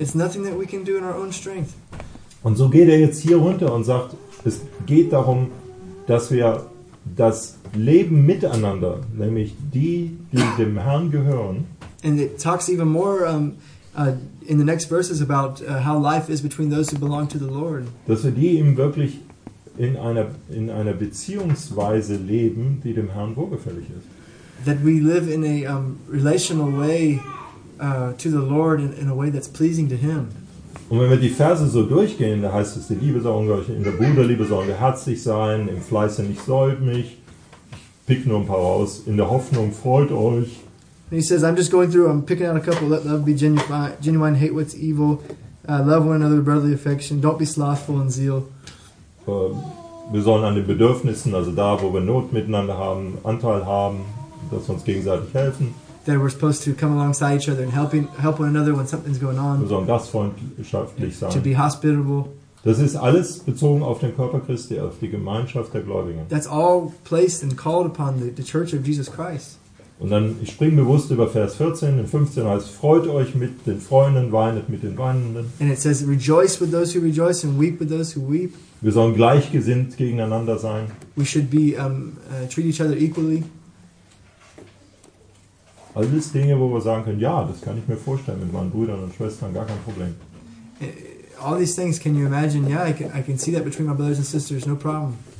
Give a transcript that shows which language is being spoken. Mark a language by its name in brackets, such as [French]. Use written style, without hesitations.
[English] It's nothing that we can do in our own strength. [German] Und so geht jetzt hier runter und sagt, es geht darum, dass wir das Leben miteinander, nämlich die dem Herrn gehören. [English] And it talks even more in the next verses about how life is between those who belong to the Lord. [German] Dass wir die ihm wirklich in einer Beziehungsweise leben, die dem Herrn wohlgefällig ist. [English] That we live in a relational way to the Lord in a way that's pleasing to him. [German] Und wenn wir die Verse so durchgehen, da heißt es, die Liebe soll ungeheuchelt, in der Bruderliebe sollen wir herzig sein, im Fleiße nicht säumig, ich pick nur ein paar raus, in der Hoffnung freut euch. [English] And he says, I'm just going through, I'm picking out a couple, let love be genuine, hate what's evil, love one another with brotherly affection, don't be slothful in zeal. [German] Wir sollen an den Bedürfnissen, also da, wo wir Not miteinander haben, Anteil haben, dass wir uns gegenseitig helfen. [English] That we're supposed to come alongside each other and help one another when something's going on. [German] Wir sollen gastfreundschaftlich sein. [English] To be hospitable. [German] Das ist alles bezogen auf den Körper Christi, auf die Gemeinschaft der Gläubigen. [English] That's all placed and called upon the Church of Jesus Christ. [German] Und dann, ich springe bewusst über Vers 14, in 15 heißt, freut euch mit den Freunden, weinet mit den Weinenden. [English] And it says, rejoice with those who rejoice and weep with those who weep. [German] Wir sollen gleichgesinnt gegeneinander sein. [English] We should be, treat each other equally. [German] Alles Dinge, wo wir sagen können, ja, das kann ich mir vorstellen mit meinen Brüdern und Schwestern, gar kein Problem. [English] All these things, can you imagine? Yeah, I can see that between my brothers and sisters, no problem.